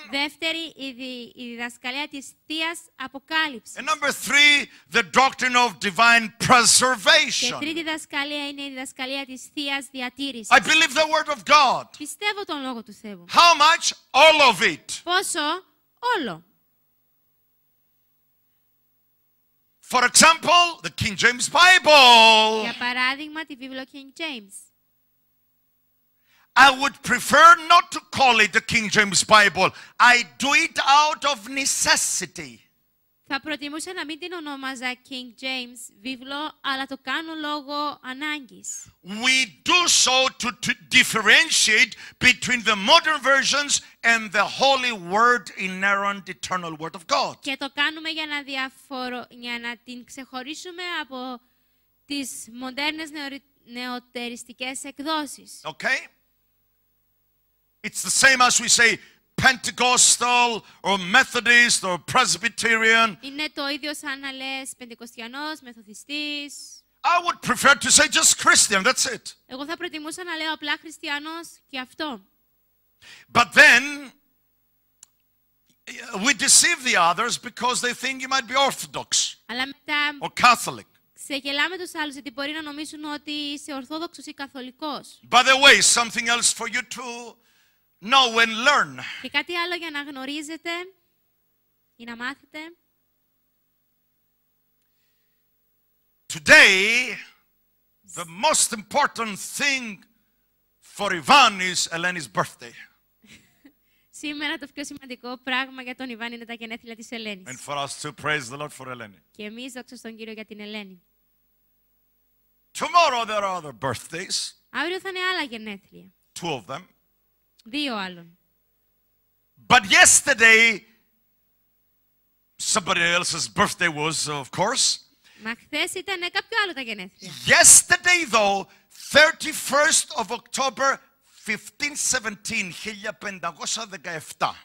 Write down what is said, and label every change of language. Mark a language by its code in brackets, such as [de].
[el] Δεύτερη, η διδασκαλία της θείας αποκάλυψης. [en] And number three, the doctrine of divine preservation. [el] Και τρίτη διδασκαλία είναι η διδασκαλία της θείας διατήρησης. [en] I believe the word of God. [el] Πιστεύω τον λόγο του Θεού. [en] How much? All of it. [el] Πόσο? Όλο. [en] For example, the King James Bible. [el] Για παράδειγμα, τη Βίβλο King James. [en] I would prefer not to call it the King James Bible. I do it out of necessity. [el] Θα προτιμούσα να μην την ονόμαζα King James Βίβλο, αλλά το κάνω λόγω ανάγκης. [en] We do so to differentiate between the modern versions and the holy word, inerrant, eternal word of God. [el] Και το κάνουμε για να την ξεχωρίσουμε από τις μοντέρνες νεωτεριστικές εκδόσεις. [en] Okay. It's the same as we say Pentecostal or Methodist or Presbyterian. [el] Είναι το ίδιο σαν να λες Πεντηκοστιανός, Μεθοδιστής. [en] I would prefer to say just Christian, that's it. [el] Εγώ θα προτιμούσα να λέω απλά Χριστιανός και αυτό. [en] But then we deceive the others because they think you might be Orthodox. [el] Αλλά μετά [en] or Catholic. [el] Ξεγελάμε τους άλλους γιατί μπορεί να νομίσουν ότι είσαι Ορθόδοξος ή Καθολικός. [en] By the way, something else for you to know and learn. [el] Και κάτι άλλο για να γνωρίζετε ή να μάθετε. [en] Today, the most important thing for Ivan is Eleni's birthday. [el] Σήμερα το πιο σημαντικό πράγμα για τον Ιβάν είναι τα γενέθλια της Ελένης. [en] And for us to praise the Lord for Eleni. [el] Και εμείς δόξα στον Κύριο για την Ελένη. [en] Tomorrow there are other birthdays. [el] Αύριο θα είναι άλλα γενέθλια. [en] Two of them. [el] Δύο άλλων. [en] But yesterday somebody else's birthday was, of course. [el] Μα χθες ήταν κάποιο άλλο τα γενέθλια. [en] Yesterday though, 31st of October 1517.